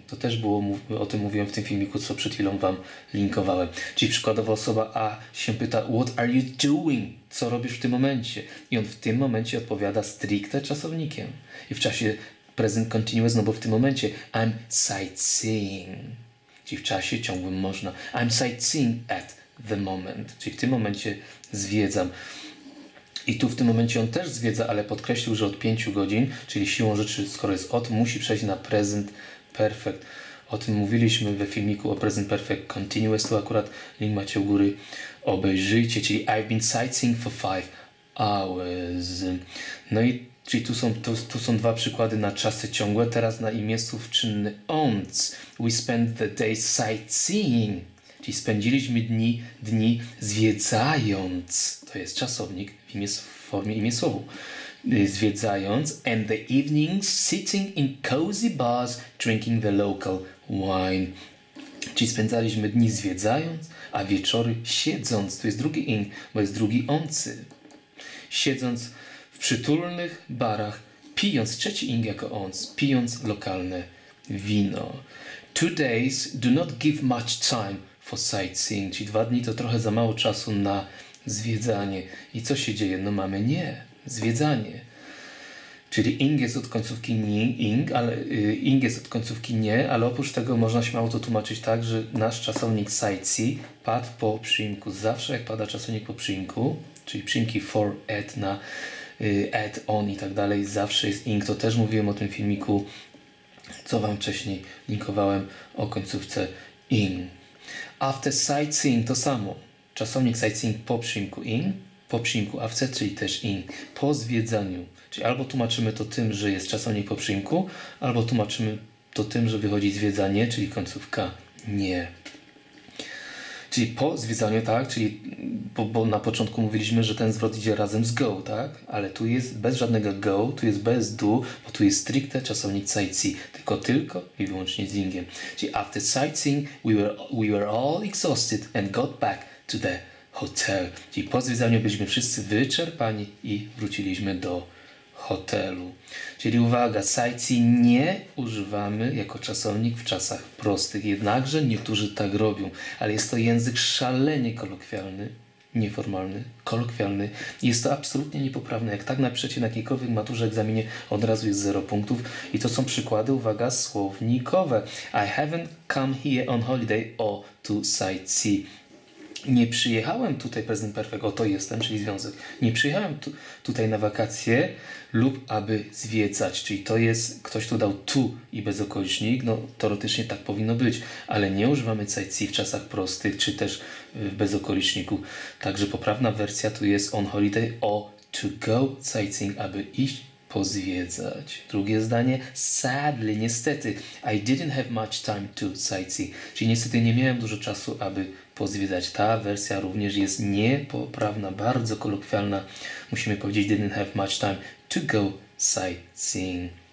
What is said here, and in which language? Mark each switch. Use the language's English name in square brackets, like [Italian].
[Polish] To też było, o tym mówiłem w tym filmiku, co przed chwilą wam linkowałem. Czyli przykładowo osoba A się pyta, [English] what are you doing? [Polish] Co robisz w tym momencie? I on w tym momencie odpowiada stricte czasownikiem. I w czasie present continuous, no bo w tym momencie [English] I'm sightseeing. [Polish] Czyli w czasie ciągłym można. [English] I'm sightseeing at the moment. [Polish] Czyli w tym momencie zwiedzam. I tu w tym momencie on też zwiedza, ale podkreślił, że od 5 godzin, czyli siłą rzeczy, skoro jest od, musi przejść na present perfect. O tym mówiliśmy we filmiku o present perfect continuous. Tu akurat link macie u góry. Obejrzyjcie. [English] Czyli I've been sightseeing for 5 hours. [Polish] No i czyli tu są dwa przykłady na czasy ciągłe. Teraz na imię słów czynny ons. [English] We spend the day sightseeing. [Polish] Czyli spędziliśmy dni zwiedzając. To jest czasownik w formie imię słowu. Zwiedzając. [English] And the evenings sitting in cozy bars drinking the local wine. [Polish] Czyli spędzaliśmy dni zwiedzając, a wieczory siedząc. To jest drugi ing, bo jest drugi oncy. Siedząc w przytulnych barach, pijąc, trzeci ing jako ons, pijąc lokalne wino. [English] 2 days do not give much time for sightseeing. [Polish] Czyli 2 dni to trochę za mało czasu na zwiedzanie. I co się dzieje? No mamy nie. Zwiedzanie. Czyli ing jest od końcówki nie, ing, ale ing jest od końcówki nie, ale oprócz tego można śmiało to tłumaczyć tak, że nasz czasownik sightsee padł po przyimku. Zawsze jak pada czasownik po przyimku, czyli przyimki for, at, na, at, on i tak dalej, zawsze jest ing. To też mówiłem o tym filmiku, co wam wcześniej linkowałem o końcówce ing. After sightseeing to samo. Czasownik sightseeing po przyimku ing, po przyimku after, czyli też ing. Po zwiedzaniu. Czyli albo tłumaczymy to tym, że jest czasownik po przyimku, albo tłumaczymy to tym, że wychodzi zwiedzanie, czyli końcówka nie. Czyli po zwiedzaniu, tak? Czyli bo na początku mówiliśmy, że ten zwrot idzie razem z go, tak? Ale tu jest bez żadnego go, tu jest bez do, bo tu jest stricte czasownik sightseeing, tylko i wyłącznie z ingiem. Czyli [English] after sightseeing we were all exhausted and got back to the hotel. [Polish] Czyli po zwiedzaniu byliśmy wszyscy wyczerpani i wróciliśmy do hotelu. Czyli uwaga, sightseeing nie używamy jako czasownik w czasach prostych. Jednakże niektórzy tak robią, ale jest to język szalenie kolokwialny, nieformalny, kolokwialny. Jest to absolutnie niepoprawne. Jak tak napiszecie na jakiejkolwiek maturze, egzaminie, od razu jest 0 punktów. I to są przykłady, uwaga, słownikowe. [English] I haven't come here on holiday or to sightsee. [Polish] Nie przyjechałem tutaj, present perfect, oto jestem, czyli związek. Nie przyjechałem tutaj na wakacje lub aby zwiedzać, czyli to jest, ktoś tu dał tu i bez okolicznik, no teoretycznie tak powinno być, ale nie używamy sightsee w czasach prostych, czy też bez okoliczniku. Także poprawna wersja tu jest [English] on holiday or to go sightseeing, [Polish] aby iść pozwiedzać. Drugie zdanie, [English] sadly, [Polish] niestety, [English] I didn't have much time to sightsee, [Polish] czyli niestety nie miałem dużo czasu, aby pozwiedzać. Ta wersja również jest niepoprawna, bardzo kolokwialna. Musimy powiedzieć [English] didn't have much time to go sightseeing.